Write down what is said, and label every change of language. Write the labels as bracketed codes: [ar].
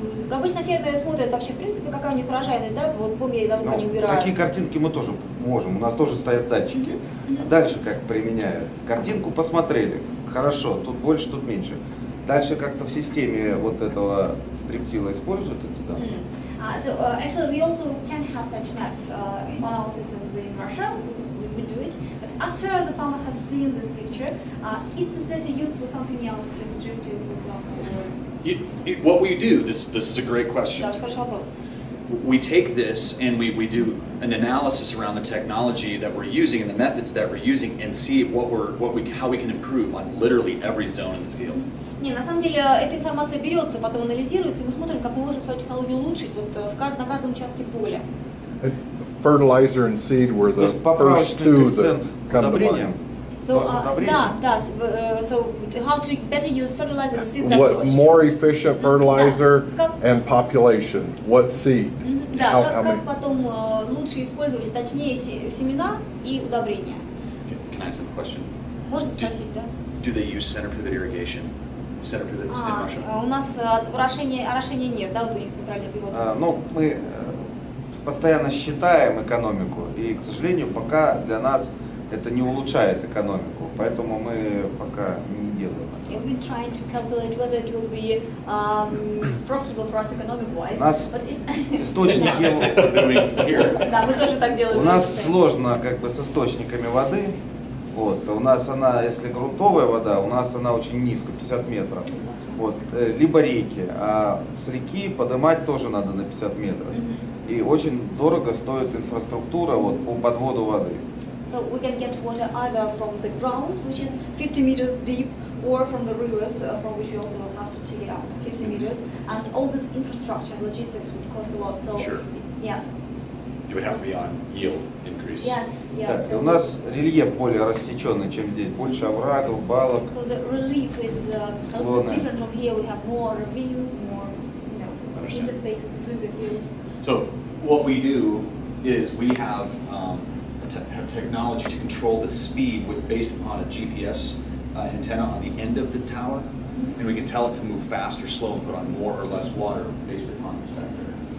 [ru] Обычно фермеры смотрят вообще в принципе, какая у них урожайность, да, вот по мере того, как они убирают. Такие картинки мы тоже можем, у нас тоже стоят датчики. Дальше как применяют? Картинку посмотрели, хорошо, тут больше, тут меньше. Дальше как-то в системе вот этого стриптила используют эти данные? [en] Actually, we also can have such maps on our systems in Russia. We do it, but after the farmer has seen this picture, is this data used for something else, like strip till, for example? What we do, this is a great question. We take this and we do an analysis around the technology that we're using and the methods that we're using and see how we can improve on literally every zone in the field. [ru] Не, на самом деле эта информация берется, потом анализируется, и мы смотрим, как мы можем свою технологию улучшить вот на каждом участке поля. [en] Fertilizer and seed were the first two that come to mind. So how to better use fertilizer and seeds? What more efficient fertilizer and population? What seed? [ru] Да, как потом лучше использовать, точнее, семена и удобрения? [en] Can I ask a question? [ru] Можно спросить, да? [en] Do they use center pivot irrigation? Center pivots in Russia? [ru] У нас орошения нет, да, вот у них центральный пивот. Ну, мы постоянно считаем экономику, и, к сожалению, пока для нас это не улучшает экономику, поэтому мы пока не делаем это. [en] We try to calculate whether it will be profitable for us economic-wise. [ru] Нас источники. Да, мы тоже так делаем. У нас сложно как бы с источниками воды. Вот, у нас она, если грунтовая вода, у нас она очень низко, 50 метров. Вот, либо реки, а с реки поднимать тоже надо на 50 метров. И очень дорого стоит инфраструктура вот по подводу воды. [en] So we can get water either from the ground, which is 50 meters deep, or from the rivers, from which we also will have to take it up 50 meters. And all this infrastructure, logistics would cost a lot. So, sure. Yeah. It would have to be on yield increase. Yes, yes. [ru] Так, so у нас рельеф более рассеченный, чем здесь. Больше оврагов, балок. [en] So the relief is a little bit different from here. We have more ravines, more, interspace between the fields. So what we do is we have have technology to control the speed based upon a GPS antenna on the end of the tower, and we can tell it to move fast or slow and put on more or less water based upon the sector.